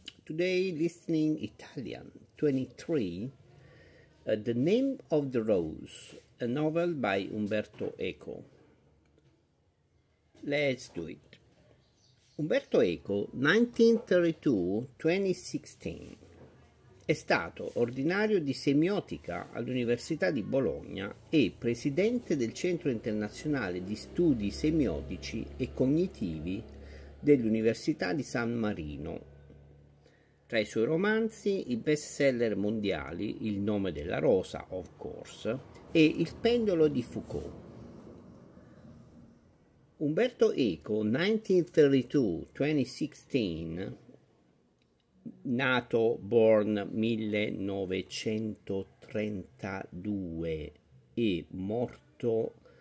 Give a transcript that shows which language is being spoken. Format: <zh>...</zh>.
<en>Today, listening Italian 23, The Name of the Rose, a novel by Umberto Eco. Let's do it.</en> <it>Umberto Eco, 1932-2016, è stato ordinario di semiotica all'Università di Bologna e presidente del Centro Internazionale di Studi Semiotici e Cognitivi dell'Università di San Marino. Tra i suoi romanzi, i bestseller mondiali Il nome della rosa,</it> <en>of course,</en> <it>e Il pendolo di Foucault. Umberto Eco, 1932-2016, nato born 1932 e morto</it>